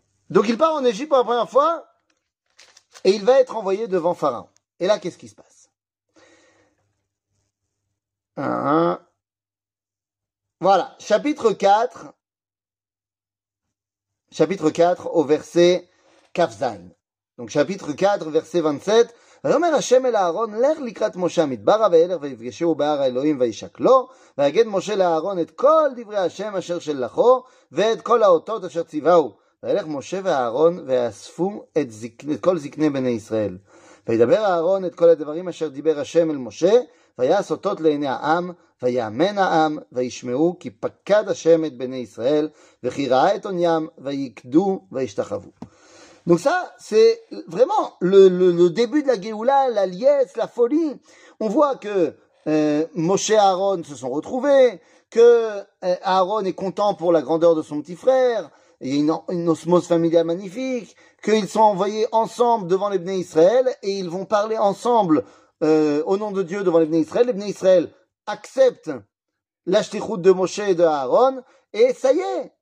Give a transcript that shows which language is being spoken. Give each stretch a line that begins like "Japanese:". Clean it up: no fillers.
French: Donc il part en Égypte pour la première fois et il va être envoyé devant Pharaon. Et là, qu'est-ce qui se passe? Voilà, chapitre 4 au verset Kafzain. Donc chapitre 4, verset 27.
Hebrew: ויאמר השם אל אהרון לך לקראת משה המדבר ואלר ויפגשהו בהר האלוהים וישקלו ויגד משה לאהרון את כל דברי השם אשר שלחו ואת כל האותות אשר ציווהו וילך משה ואהרון ויאספו את כל זקני בני ישראל וידבר אהרון את כל הדברים אשר דיבר השם אל משה ויעש אותות לעיני העם ויאמן העם וישמעו כי פקד השם את בני ישראל וכי ראה את עוניים ויקדו וישתחוו.
French: Donc ça, c'est vraiment le début de la Géoula, la liesse, la folie. On voit que Moshe et Aaron se sont retrouvés, que Aaron est content pour la grandeur de son petit frère, il y a une osmose familiale magnifique, qu'ils sont envoyés ensemble devant les Bnei Israël, et ils vont parler ensemble au nom de Dieu devant les Bnei Israël. Les Bnei Israël acceptent l'ashtichut de Moshe et de Aaron, et ça y est.